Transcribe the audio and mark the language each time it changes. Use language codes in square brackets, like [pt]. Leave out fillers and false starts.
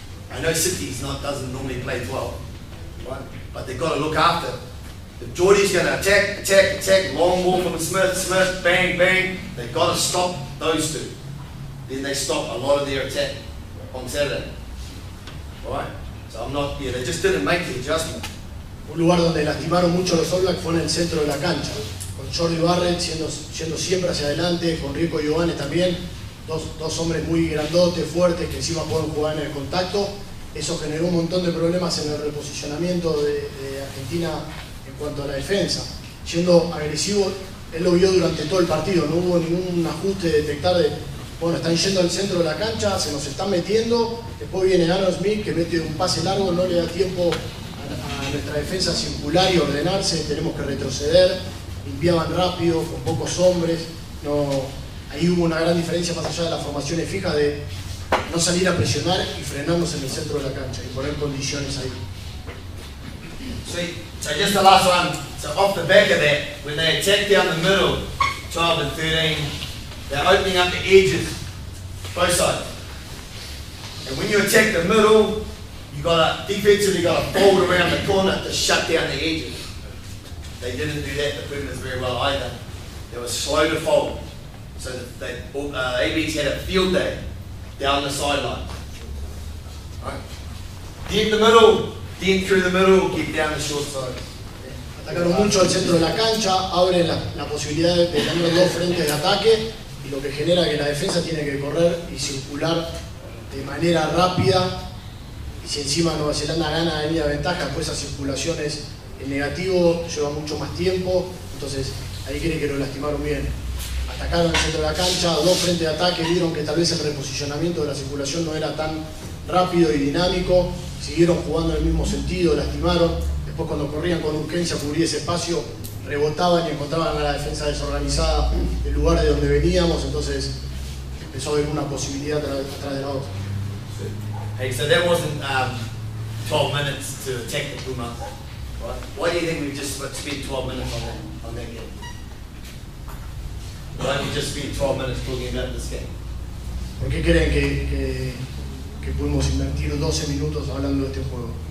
[en] I know City's doesn't normally play 12, right? But they've got to look after. If Jordy's going to attack, long ball from Smith, bang, bang, they've got to stop those two. Then they stop a lot of their attack on Saturday. Right? So they just didn't make the adjustment. [es] Un lugar donde lastimaron mucho los All Blacks fue en el centro de la cancha. con Jordi Barrett siendo siempre hacia adelante, con Rico Giovanni también, dos hombres muy grandotes, fuertes, que encima pueden jugar en el contacto. Eso generó un montón de problemas en el reposicionamiento de Argentina en cuanto a la defensa. Siendo agresivo, él lo vio durante todo el partido, no hubo ningún ajuste de detectar de, bueno, están yendo al centro de la cancha, se nos están metiendo, después viene Aaron Smith que mete un pase largo, no le da tiempo a nuestra defensa circular y ordenarse, tenemos que retroceder, limpiaban rápido, con pocos hombres, no, ahí hubo una gran diferencia más allá de las formaciones fijas de no salir a presionar y frenarnos en el centro de la cancha y poner condiciones ahí. [en] Sí, so just the last one, so off the back of that, when they attacked down the middle, 12 and 13, they're opening up the edges, both sides. And when you attack the middle, you got a defensively got a ball around the corner to shut down the edges. They didn't do that the Primitives very well either. They were slow to fold. So they ABs had a field day down the sideline. Right. Dent the middle, dent through the middle, get down the short side. [es] Atacaron mucho al centro de la cancha, abre la posibilidad de tener dos frentes de ataque. Y lo que genera que la defensa tiene que correr y circular de manera rápida. Y si encima Nueva Zelanda gana de media ventaja, pues esa circulación es en negativo, lleva mucho más tiempo. Entonces ahí creen que lo lastimaron bien. Atacaron el centro de la cancha, dos frentes de ataque, vieron que tal vez el reposicionamiento de la circulación no era tan rápido y dinámico. Siguieron jugando en el mismo sentido, lastimaron. Después cuando corrían con urgencia a cubrir ese espacio, rebotaban y encontraban a la defensa desorganizada el lugar de donde veníamos, entonces empezó a haber una posibilidad atrás de la otra. [en] Hey, so that wasn't 12 minutes to attack the Puma. Right? Why do you think we just spent 12 minutes on that game? Why don't you just spend 12 minutes talking about this game? [es] ¿Por qué creen que pudimos invertir 12 minutos hablando de este juego?